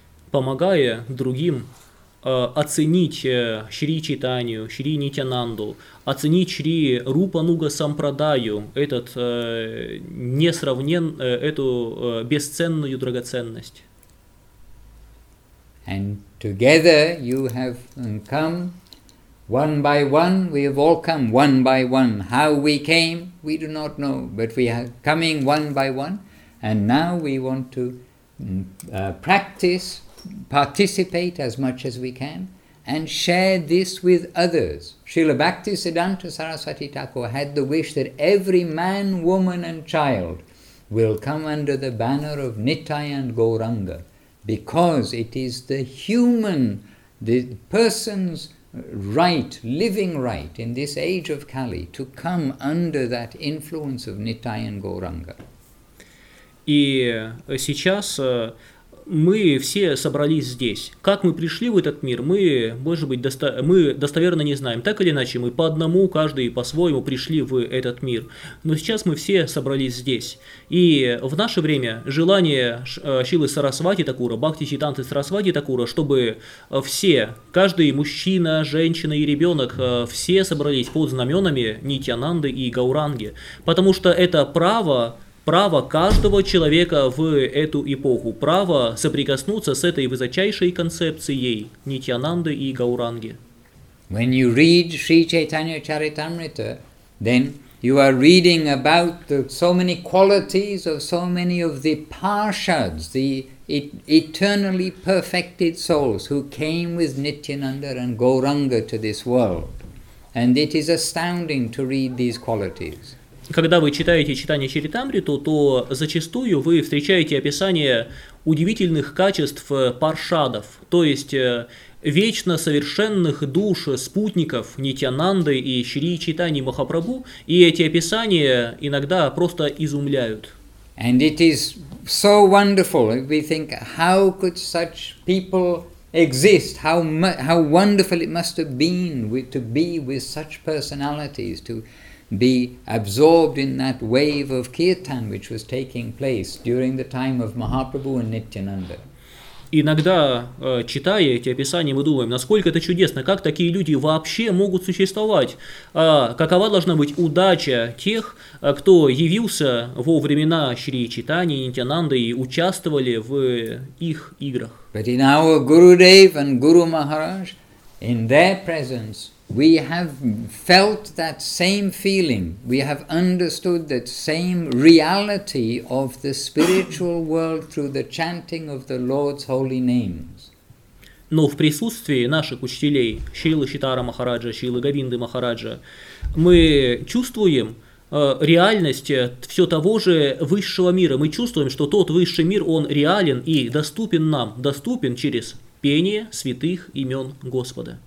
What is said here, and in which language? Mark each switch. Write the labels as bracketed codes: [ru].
[ru] Помогая другим оценить Шри Чайтанью, Шри Нитянанду, оценить Шри Рупануга Сампрадаю, этот несравнен, эту бесценную драгоценность. [en] And together you have come, one by one, we have all come, one by one. How we came, we do not know, but we are coming one by one, and now we want to practice, participate as much as we can, and share this with others. Srila Bhaktisiddhanta Sarasvati Thakur had the wish that every man, woman and child will come under the banner of Nittai and Gauranga, because it is the human, the person's right, living right in this age of Kali, to come under that influence of Nittai and Gauranga. [ru] И сейчас мы все собрались здесь. Как мы пришли в этот мир, мы, может быть, мы достоверно не знаем. Так или иначе, мы по одному, каждый по-своему пришли в этот мир. Но сейчас мы все собрались здесь. И в наше время желание Шилы Сарасвати Такура, Бхактисиддханты Сарасвати Такура, чтобы все, каждый мужчина, женщина и ребенок, все собрались под знаменами Нитянанды и Гауранги. Потому что это право, право каждого человека в эту эпоху, право соприкоснуться с этой высочайшей концепцией Нитьянанды и Гауранги. [en] When you read Sri Chaitanya Charitamrita, then you are reading about the so many qualities of so many of the Parshads, the eternally perfected souls who came with Nityananda and Gauranga to this world. And it is astounding to read these qualities. [ru] Когда вы читаете читание Чаритамриту, то зачастую вы встречаете описание удивительных качеств паршадов, то есть вечно совершенных душ спутников Нитянанды и Шри Чайтаньи Махапрабху, и эти описания иногда просто изумляют. [en] And it is so wonderful. We think, how could such people exist? How wonderful it must have been to be with such personalities, to be absorbed in that wave of kirtan which was taking place during the time of Mahaprabhu and Nityananda. [ru] Иногда, читая эти описания, мы думаем, насколько это чудесно, как такие люди вообще могут существовать, какова должна быть удача тех, кто явился во времена Шри Чайтаньи и Нитянанды и участвовали в их играх. [en] But in our Gurudev and Guru Maharaj, in their presence, we have felt that same feeling. We have understood that same reality of the spiritual world through the chanting of the Lord's holy names. [ru] Но в присутствии наших учителей, Шрилы Читара Махараджа, Шрилы Говинды Махараджа, мы чувствуем реальность все того же высшего мира. Мы чувствуем, что тот высший мир, он реален и доступен нам, доступен через пение святых имен Господа.